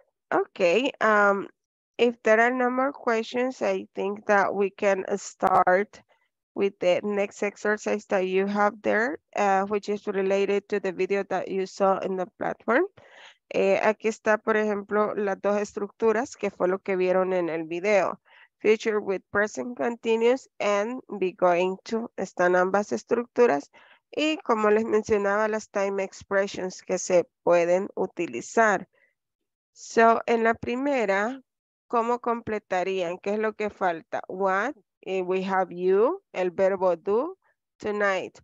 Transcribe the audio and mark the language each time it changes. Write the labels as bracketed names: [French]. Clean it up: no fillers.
[English] Ok, if there are no more questions, I think that we can start with the next exercise that you have there, which is related to the video that you saw in the platform. [Spanish] Aquí está, por ejemplo, las dos estructuras que fue lo que vieron en el video. [English] Future with present continuous and be going to. [Spanish] Están ambas estructuras. Y como les mencionaba, las time expressions que se pueden utilizar. So, en la primera, ¿cómo completarían? ¿Qué es lo que falta? [English] What? We have you, [Spanish] el verbo do, tonight.